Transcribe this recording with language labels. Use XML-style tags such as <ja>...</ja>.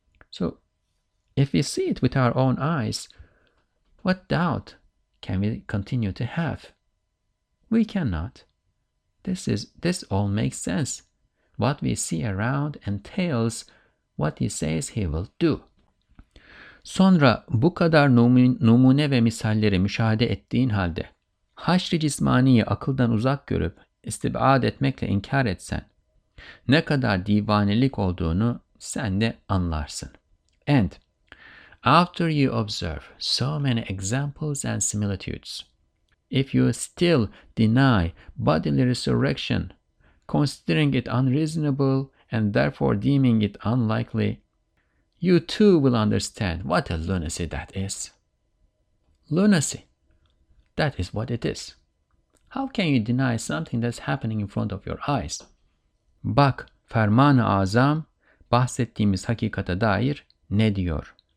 <en>So if we see it with our own eyes, what doubt can we continue to have? We cannot. This all makes sense. What we see around entails what He says He will do.</en> <tr>Sonra bu kadar numune ve misalleri müşahede ettiğin halde haşr-i cismaniyi akıldan uzak görüp istibad etmekle inkar etsen ne kadar divanelik olduğunu sen de anlarsın.</tr> <en>And after you observe so many examples and similitudes, if you still deny bodily resurrection, considering it unreasonable and therefore deeming it unlikely, you too will understand what a lunacy that is. Lunacy. That is what it is. How can you deny something that's happening in front of your eyes?</en> <tr>Bak, Ferman-ı Azam bahsettiğimiz hakikate dair ne diyor?</tr>